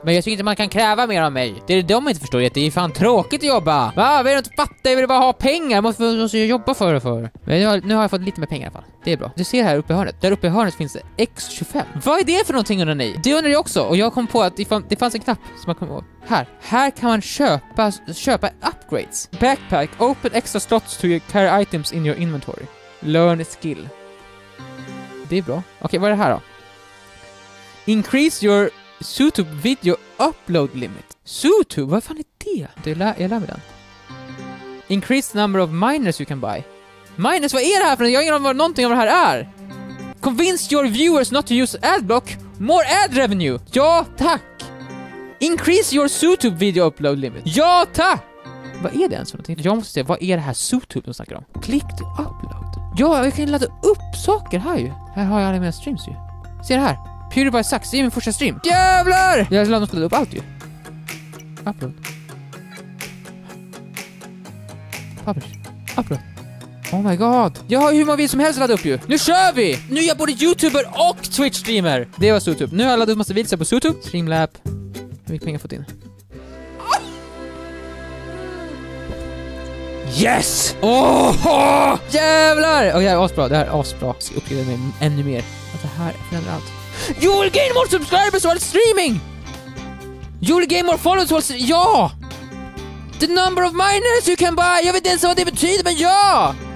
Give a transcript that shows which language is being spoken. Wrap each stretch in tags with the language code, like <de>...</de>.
<sv>Men jag tycker inte man kan kräva mer av mig. Det är det de inte förstår. Det är fan tråkigt att jobba. Va? Vill du inte fatta? Jag vill bara ha pengar. Måste jag jobba för. Men nu har jag fått lite mer pengar i alla fall. Det är bra. Du ser här uppe i hörnet. Där uppe i hörnet finns det X25. Vad är det för någonting under ni? Det undrar jag också. Och jag kom på att det fanns en knapp som man kom på. Här kan man köpa upgrades. Backpack.</sv> <en>Open extra slots to carry items in your inventory. Learn a skill.</en> <sv>Det är bra. Okej, vad är det här då?</sv> <en>Increase your YouTube video upload limit.</en> <sv>YouTube? Vad fan är det? Jag lär mig den.</sv> <en>Increase the number of miners you can buy.</en> <sv>Miners, vad är det här för? Jag har ingen om vad någonting av det här är.</sv> <en>Convince your viewers not to use adblock. More ad revenue.</en> <sv>Ja, tack.</sv> <en>Increase your YouTube video upload limit.</en> <sv>Ja, tack! Vad är det ens för någonting? Jag måste se, vad är det här YouTube de snackar om?</sv> <en>Click to upload.</en> <sv>Ja, jag kan ladda upp saker här ju. Här har jag alla mina streams ju. Se det här. PewDiePie Sucks, det är min första stream. Jävlar! Jag har laddat upp allt ju.</sv> <en>Upload. Publish. Upload. Oh my god.</en> <sv>Jag har hur många videos som helst laddat upp ju. Nu kör vi! Nu är jag både YouTuber och Twitch-streamer. Det var Sotub. Nu har jag laddat upp massa videos på Sotub. Streamlab. Hur mycket pengar har jag fått in? Yes! Oho! Jävlar! Okej, okay, asbra. Det här är asbra. Jag ska uppgöra mig ännu mer. Att det här förändrar allt.</sv> <en>You will gain more subscribers while streaming! You will gain more followers while streaming! Ja! The number of miners you can buy!</en> <sv>Jag vet inte vad det betyder, men ja!</sv>